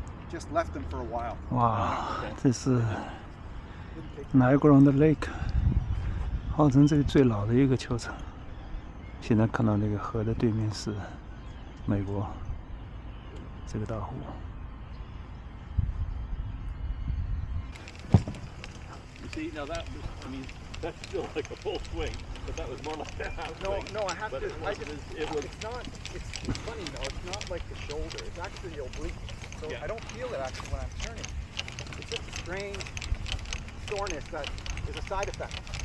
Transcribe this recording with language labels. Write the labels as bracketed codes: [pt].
[en] just left them for a while. Wow, okay. This is Niagara on the Lake. [zh] 号称这里最老的一个球场。现在看到那个河的对面是美国这个大湖。 [en] See, now that was, I mean, that's still like a full swing, but that was more like a half swing. No, I have to, I just, it was, it's not, it's funny though, it's not like the shoulder, it's actually oblique. So yeah. I don't feel it actually when I'm turning. It's just a strange soreness that is a side effect.